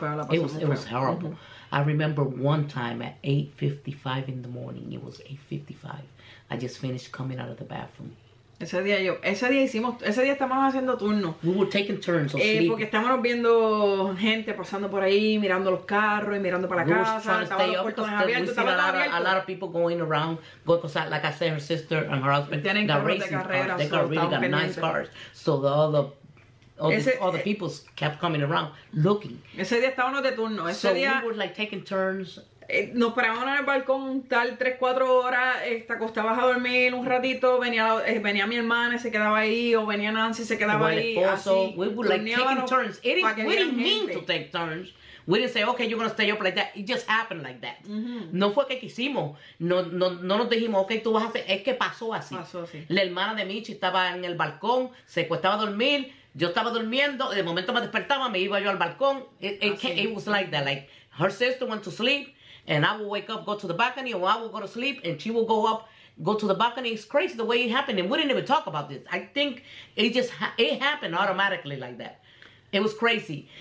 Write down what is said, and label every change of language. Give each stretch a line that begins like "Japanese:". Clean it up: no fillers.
English: It was horrible. Mm-hmm. I remember one time at 8:55 in the morning. It was 8:55. I just finished coming out of the bathroom.
Spanish: Ese día estábamos haciendo turno.
English: We were taking turns of sleeping.
Spanish: Porque estábamos viendo gente pasando por ahí, mirando los carros y mirando para la casa.
English: A lot of people going around. Because like I said, her sister and her husband got racing cars. They got really got nice cars. So all the people kept coming around looking.
Spanish: Ese día estábamos de turno.
English: So we were like taking turns.
Spanish: Nos parábamos en el balcón tal 3-4 horas, te acostabas a dormir un ratito, venía mi hermana y se quedaba ahí, o venía Nancy y se quedaba ahí, esposo, así.
English: We were like taking turns. We didn't mean to take turns. We didn't say, okay, you're going to stay up like that. It just happened like that. Mm-hmm.
Spanish: No fue que quisimos. No nos dijimos, okay, tú vas a hacer. Es que pasó así. Pasó así. La hermana de Michi estaba en el balcón, se acostaba a dormir. Yo estaba durmiendo. De momento me despertaba, me iba yo al balcón.
English: It was like that. Like, her sister went to sleep. And I will wake up, go to the balcony, or I will go to sleep, and she will go up, go to the balcony. It's crazy the way it happened, and we didn't even talk about this. I think it happened automatically like that. It was crazy.